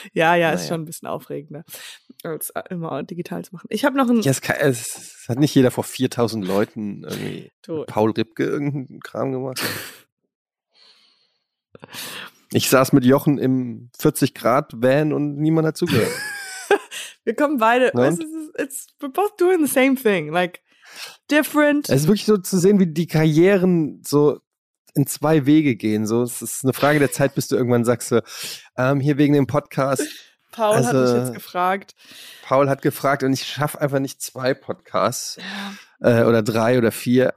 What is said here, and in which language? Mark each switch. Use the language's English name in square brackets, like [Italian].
[German] Ja, ist schon ein bisschen aufregender. als immer digital zu machen. Ich habe noch ein. Ja, es hat nicht jeder vor 4000 Leuten irgendwie Paul Ribke irgendeinen Kram gemacht. Ich saß mit Jochen im 40-Grad-Van und niemand hat zugehört. Wir kommen beide. [English] It's, we're both doing the same thing. Like, different. [German] Es ist wirklich so zu sehen, wie die Karrieren so in zwei Wege gehen. So, es ist eine Frage der Zeit, bis du irgendwann sagst, so, hier wegen dem Podcast. Paul also, hat mich jetzt gefragt. Paul hat gefragt und ich schaffe einfach nicht zwei Podcasts. Oder drei oder vier.